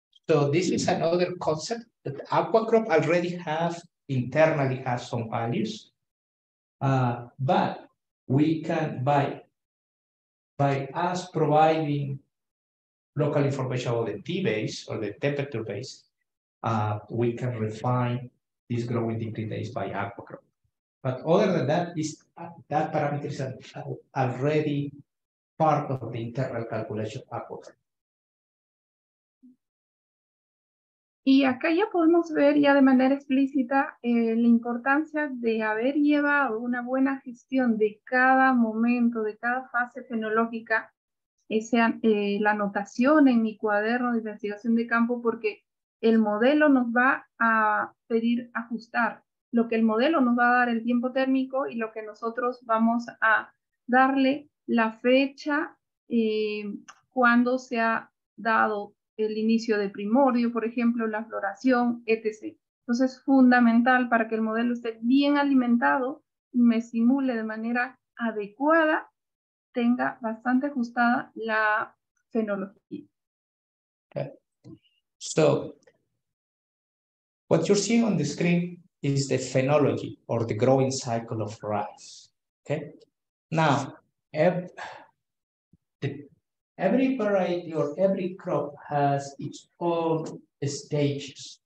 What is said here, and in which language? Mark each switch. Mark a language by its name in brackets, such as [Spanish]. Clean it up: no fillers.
[English] So this is another concept that aquacrop already have internally has some values, but we can by us providing local information about the T base or the temperature base, we can refine these growing degree days by aquacrop. But other than that, is that parameter is already part of the internal calculation of aquacrop. [Spanish] Y acá ya podemos ver ya de manera explícita la importancia de haber llevado una buena gestión de cada momento, de cada fase fenológica, sea la anotación en mi cuaderno de investigación de campo, porque el modelo nos va a pedir ajustar lo que el modelo nos va a dar el tiempo térmico y lo que nosotros vamos a darle la fecha cuando se ha dado el inicio de primordio, por ejemplo, la floración, etc. Entonces, es fundamental para que el modelo esté bien alimentado, me simule de manera adecuada, tenga bastante ajustada la fenología. Okay. [English] So, what you're seeing on the screen is the phenology or the growing cycle of rice. Okay. Now, every variety or every crop has its own stages.